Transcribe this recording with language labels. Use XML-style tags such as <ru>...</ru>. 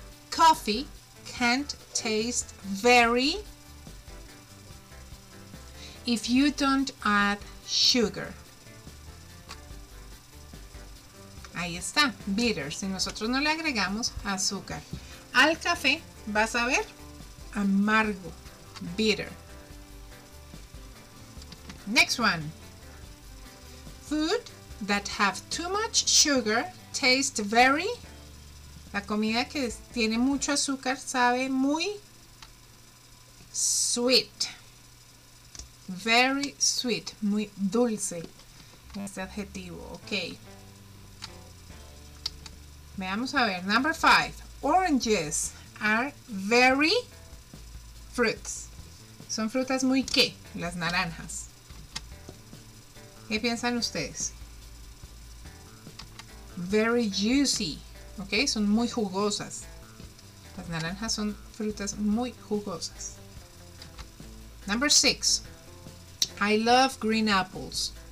<en>Coffee can't taste very if you don't add sugar.</en> <es>Ahí está. Bitter. Si nosotros no le agregamos azúcar al café, va a saber amargo.</es> <en>Bitter. Next one. Food that have too much sugar taste very...</en> <es>La comida que tiene mucho azúcar sabe muy sweet.</es> <en>Very sweet,</en> <es>muy dulce. Este adjetivo, ok. Veamos a ver,</es> <en>number five. Oranges are very fruits.</en> <es>Son frutas muy qué, las naranjas. ¿Qué piensan ustedes?</es> <en>Very juicy,</en> <es>ok, son muy jugosas. Las naranjas son frutas muy jugosas.</es> <en>Number six, I love green apples.</en>